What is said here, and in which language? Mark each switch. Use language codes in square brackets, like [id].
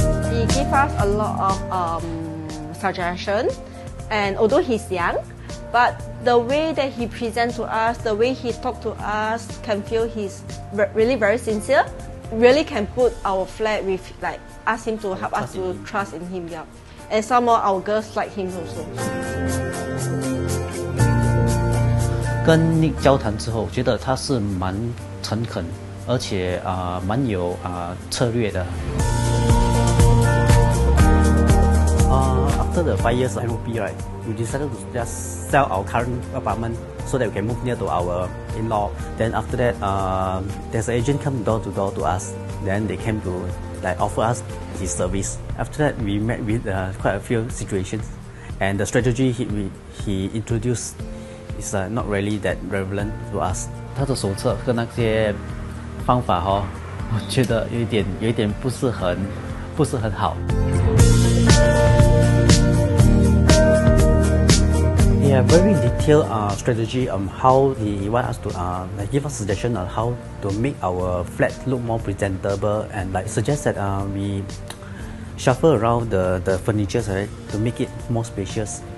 [en] He gave us a lot of suggestion, and although he's young, but the way that he presents to us, the way he talks to us, can feel he's really very sincere, really can put our flag with, like, ask him to help us to trust in him, yeah. And some of our girls like him also. [zh] 跟 Nick 交谈之后，我觉得他是蛮诚恳，而且蛮有策略的。 [en] After the 5 years of MOP, right, we decided to just sell our current apartment so that we can move near to our in-law. Then after that, there's an agent come door to door to us. Then they came to like offer us his service. After that, we met with quite a few situations, and the strategy he introduced. It's not really that relevant to us. [zh] 他的手册和那些方法哦，我觉得有一点不是很好。 [en] Yeah, very detailed strategy on how he want us to give us suggestion on how to make our flat look more presentable and like suggest that we shuffle around the furnitures, right, to make it more spacious.